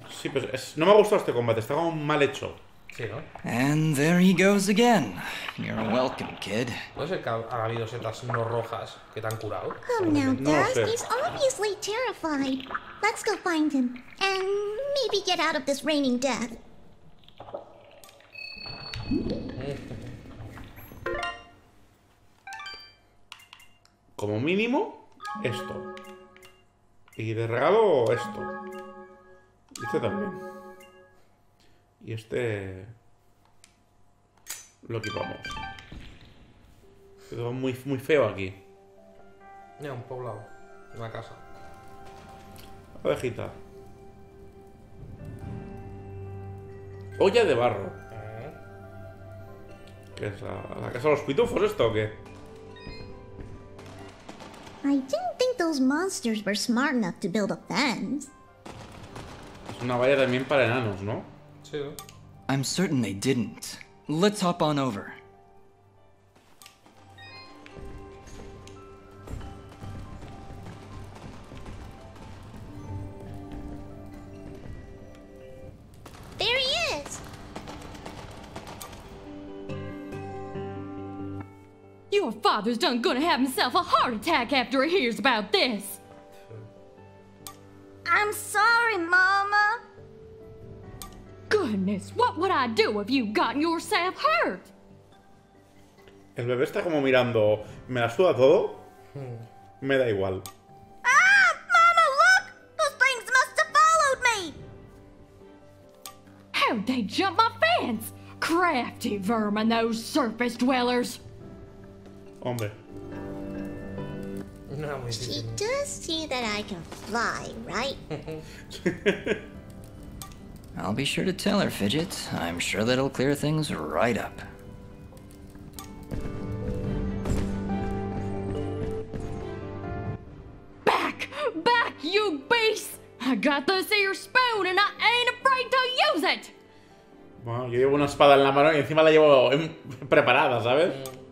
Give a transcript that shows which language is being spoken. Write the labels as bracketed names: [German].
[Spanish] Sí, pero es, no me ha gustado este combate, está como mal hecho. Sí, ¿no? [English] And there he goes again. You're welcome, kid. [Spanish] ¿Puede ser que ha habido setas no rojas que te han curado? No lo sé. [English] He's obviously terrified. Let's go find him and maybe get out of this raining death. [Spanish] Como mínimo esto. Y de regalo esto. Este también. Y este lo equipamos. Quedó muy, muy feo aquí. Ya, un poblado. Una casa. Ovejita. Olla de barro. ¿Qué es la casa de los pitufos esto o qué? [English] I didn't think those monsters were smart enough to build a fence. [Spanish] Es una valla también para enanos, ¿no? Sí. [English] I'm certain they didn't. Let's hop on over. There he is! Your father's done gonna have himself a heart attack after he hears about this. I'm sorry, Mama. Goodness, what would I do if you got yourself hurt? [Spanish] El bebé está como mirando, me la suda todo, me da igual. [English] Ah, Mama, look! Those things must have followed me! How'd they jump my fence? Crafty vermin, those surface dwellers! [Spanish] Hombre. [English] She does see that I can fly, right? I'll be sure to tell her, Fidget. I'm sure that'll clear things right up. Back! Back, you beast! I got this here spoon and I ain't afraid to use it! [Spanish] Bueno, yo llevo una espada en la mano y encima la llevo preparada, ¿sabes?